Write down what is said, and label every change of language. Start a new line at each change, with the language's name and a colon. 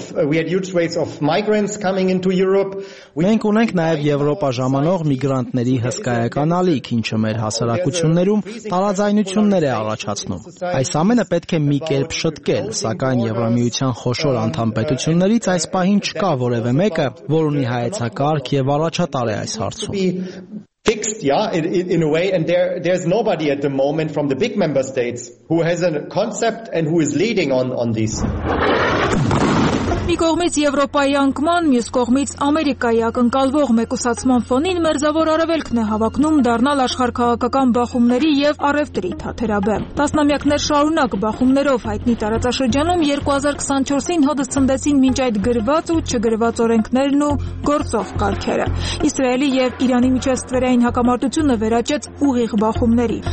English: We had huge waves of migrants coming into Europe.
Armenian: Մենք ունենք նաև Եվրոպա ժամանող միգրանտների հսկայական ալիք, ինչը մեր հասարակություններում տարաձայնություններ է առաջացնում։ Այս ամենը պետք է մի կերպ շտկել, սակայն Եվրամիության խոշոր անդամ պետություններից այս պահին չկա որևէ մեկը, որ ունի հայեցակարգ եւ առաջատար է այս հարցում։
English: Fixed, yeah, in a way, and there's nobody at the moment from the big member states who has a concept and who is leading on this.
Armenian: Մի կողմից Եվրոպայի անկման, մյուս կողմից Ամերիկայի ակնկալվող մեկուսացման ֆոնին մերձավոր արևելքն է հավակնում դառնալ աշխարհքաղաքական բախումների եւ առևտրի թաթերաբեմ։ Տասնամյակներ շարունակ բախումներով հայտնի տարածաշրջանում 2024-ին հոդս ցնդեցին մինչ այդ գրված ու չգրված օրենքներն ու գործող կարգերը։ Իսրայելի եւ Իրանի միջեւ ստվերային հակամարտությունը վերաճեց ուղիղ բախումների։